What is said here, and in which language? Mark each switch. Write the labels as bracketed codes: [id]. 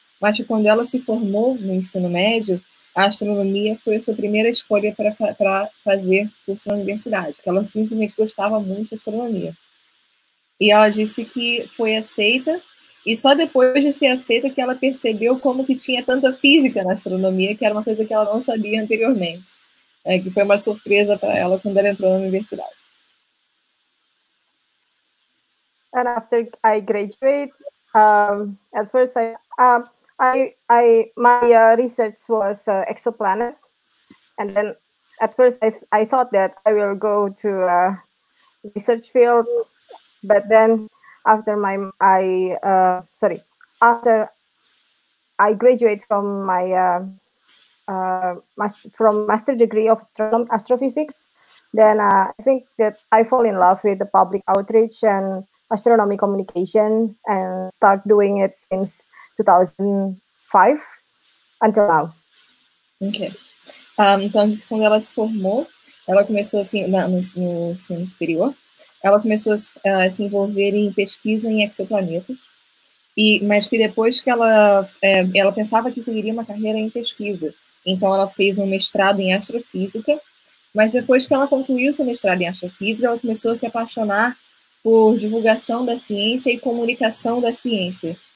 [pt] Mas quando ela se formou no ensino médio, a astronomia foi a sua primeira escolha para fazer curso na universidade, que ela simplesmente gostava muito de astronomia. E ela disse que foi aceita, e só depois de ser aceita que ela percebeu como que tinha tanta física na astronomia, que era uma coisa que ela não sabia anteriormente, que foi uma surpresa para ela quando ela entrou na universidade. [en] And after I graduate, at first my research was exoplanet, and then at first I thought that I will go to a research field, but then after I graduate from my master degree of astrophysics, then I think that I fall in love with the public outreach and astronomy communication and start doing it since 2005 until now. Okay. [pt] Então, quando ela se formou, ela começou assim no ensino superior, ela começou a se envolver em pesquisa em exoplanetas, mas que depois que ela pensava que seguiria uma carreira em pesquisa, então ela fez um mestrado em astrofísica, mas depois que ela concluiu seu mestrado em astrofísica, ela começou a se apaixonar por divulgação da ciência e comunicação da ciência.